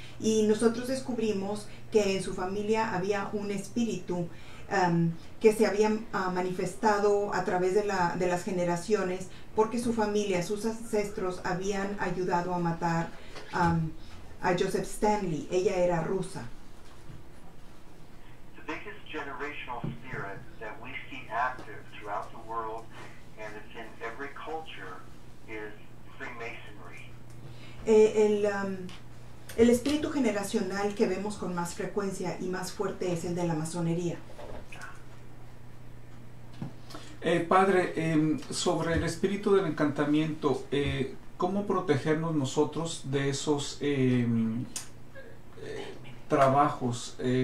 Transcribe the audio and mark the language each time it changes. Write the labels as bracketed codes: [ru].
[es] Y nosotros descubrimos que en su familia había un espíritu que se había manifestado a través de las generaciones, porque su familia, sus ancestros, habían ayudado a matar a Joseph Stanley. Ella era rusa. [en] The biggest generational spirit that we see active throughout the world, and it's in every culture, is Freemasonry. [es] El espíritu generacional que vemos con más frecuencia y más fuerte es el de la masonería. Padre, sobre el espíritu del encantamiento, ¿cómo protegernos nosotros de esos trabajos?